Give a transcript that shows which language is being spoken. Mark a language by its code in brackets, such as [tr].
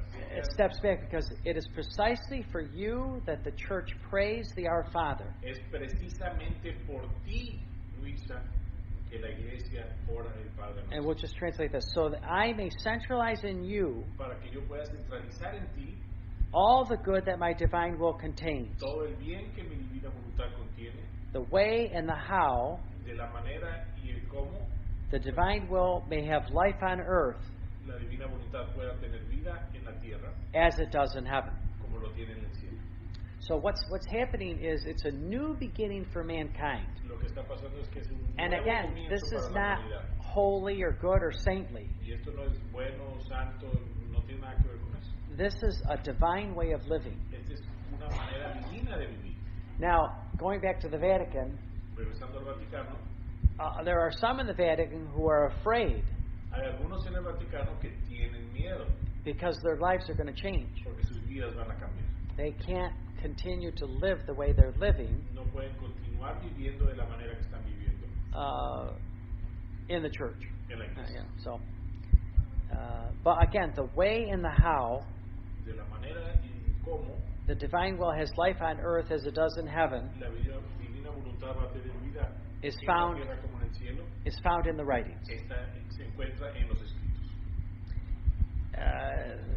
[en] It steps back because it is precisely for you that the church prays the Our Father. [es] Es precisamente por ti, Luisa, que la iglesia ora el Padre Nuestro. [en] And we'll just translate this. So that I may centralize in you. [es] Para que yo pueda centralizar en ti. [en] All the good that my divine will contains. [es] Todo el bien que mi divina voluntad contiene. [en] The way and the how. [es] De la manera y el cómo. [en] The divine will may have life on earth. [es] La divina voluntad pueda tener vida en la tierra. [en] As it does in heaven. [es] Como lo tiene en el cielo. [en] So what's happening is it's a new beginning for mankind. [es] Lo que está pasando es que es un nuevo comienzo para la humanidad. [en] And again, this is not holy or good or saintly. [es] Y esto no es bueno, santo, no tiene nada que ver con eso. [en] This is a divine way of living. [es] Esta es una manera divina de vivir. [en] Now, going back to the Vatican. [es] Regresando al Vaticano. [en] There are some in the Vatican who are afraid. [es] Hay algunos en el Vaticano que tienen miedo. [en] Because their lives are going to change. [es] Porque sus vidas van a cambiar. [en] They can't continue to live the way they're living. [es] No pueden continuar viviendo de la manera que están viviendo. [en] In the church. [es] En la iglesia. [en] So, but again, the way and the how. [es] De la manera y cómo. [en] The divine will has life on earth as it does in heaven. [es] La divina voluntad va a tener vida. [en] Is found in the writings. [es] Se encuentra en los escritos.